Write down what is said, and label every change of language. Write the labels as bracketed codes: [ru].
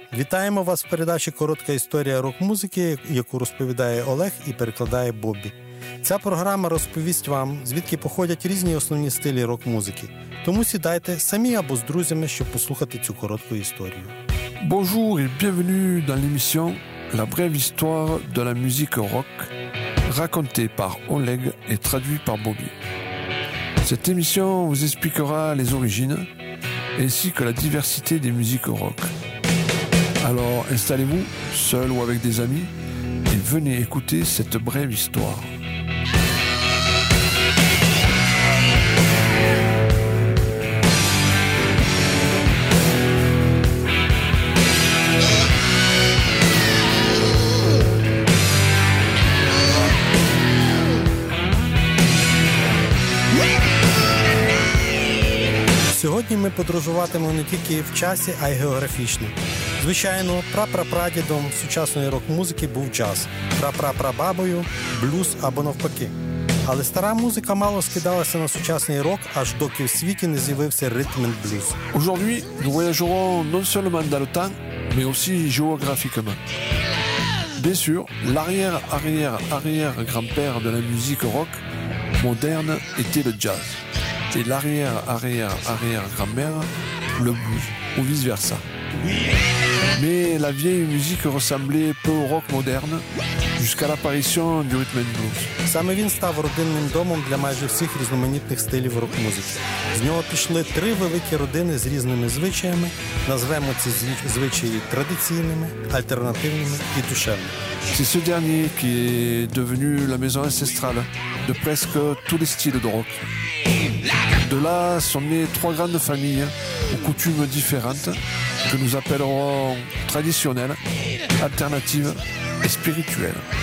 [uk] Вітаємо вас в передачі «Коротка історія рок-музики», яку розповідає Олег і перекладає Бобі. Ця програма розповість вам, звідки походять різні основні стилі рок-музики. Тому сідайте самі або з друзями, щоб послухати цю коротку історію. [fr] Bonjour et bienvenue dans l'émission «La brève histoire de la musique rock», racontée par Oleg et traduite par Bobby. Cette émission vous expliquera les origines ainsi que la diversité des musiques rock. Alors installez-vous, seul ou avec des amis, et venez écouter cette brève histoire. [uk] Сьогодні ми подорожуватимемо не тільки в часі, а й географічно. Звичайно, прапрапрадідом сучасної рок-музики був джаз, прапрапрабабою – блюз або навпаки. Але стара музика мало скидалася на сучасний рок, аж доки в світі не з'явився ритм і блюз. [fr] Aujourd'hui, nous voyagerons non seulement dans le temps, mais aussi géographiquement. Bien sûr, l'arrière-arrière-arrière-grand-père de la musique rock moderne était le jazz. Et l'arrière-arrière-arrière-grand-mère, le blues, ou vice-versa. Mais la vieille musique ressemblait peu au rock moderne jusqu'à l'apparition du rhythm and blues. [uk] Саме він став родинним домом для майже всіх різноманітних стилів рок-музики. З нього пішли три великі родини з різними звичаями. Назвемо ці звичаї традиційними, альтернативними і душевними. [fr] C'est ce dernier qui est devenu la maison ancestrale de presque tous les styles de rock. De là sont nées trois grandes familles aux coutumes différentes que nous appellerons traditionnelles, alternatives et spirituelles.